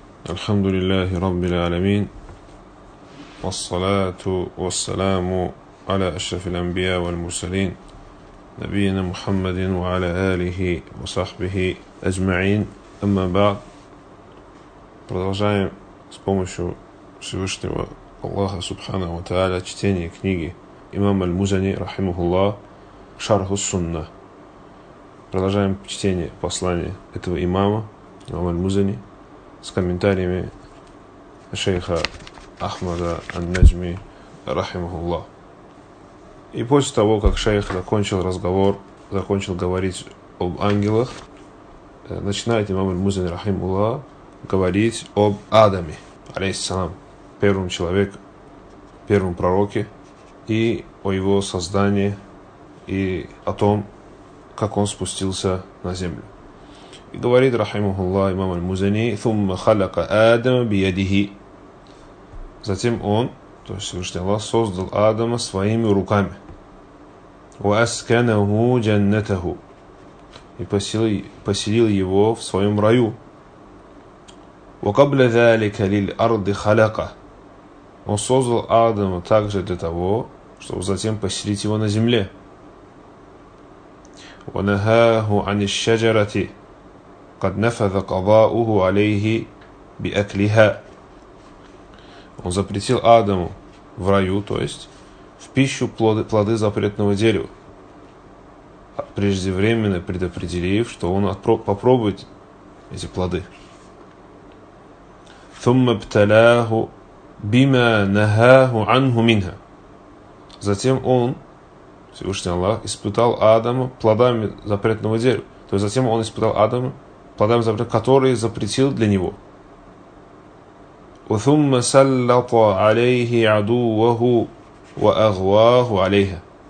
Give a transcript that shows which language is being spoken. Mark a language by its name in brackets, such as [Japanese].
[Arabic] الحمد لله رب العالمين، والصلاة والسلام على أشرف الأنبياء والمرسلين نبينا محمد وعلى آله وصحبه أجمعين. أما بعد، [Russian] продолжаем с помощью Всевышнего Аллаха [Arabic] سبحانه وتعالى [Russian] чтение книги [Arabic] إمام المزني رحمه الله شرح السنة. [Russian] Продолжаем чтение послания этого имама Аль-Музани с комментариями шейха Ахмада Ан-Наджми рахимахуллах. И после того, как шейх закончил говорить об ангелах, начинает имам Аль-Музани рахимахуллах говорить об Адаме, алейхиссалам, первом человеке, первом пророке, и о его создании, и о том, как он спустился на землю. И говорит рахимахуллах имам аль-Музани: [Arabic] "Тумма халака Адама биядихи". [Russian] Затем он, то есть Всевышний Аллах, создал Адама своими руками. [Arabic] "Ва асканаху джаннатаху". [Russian] И поселил его в своем раю. [Arabic] "Ва кабля залика лиль арди халака". [Russian] Он создал Адама также для того, чтобы затем поселить его на земле. "Ва нахаху ан ашджарати [Arabic] قد نفذ قضاؤه عليه بأكلها". [Russian] Он запретил Адаму в раю, то есть в пищу плоды запретного дерева, преждевременно предопределив, что он попробует эти плоды. [Arabic] ثم ابتلاه بما نهاه عنه منها. [Russian] Затем он, Всевышний Аллах, испытал Адама плодами запретного дерева. То есть затем он испытал Адама плодами запрета, который запретил для него. [Arabic] وَثُمَّ سَلَّطَ عَلَيْهِ عَدُوَّهُ وَأَغْوَاهُ عَلَيْهَ.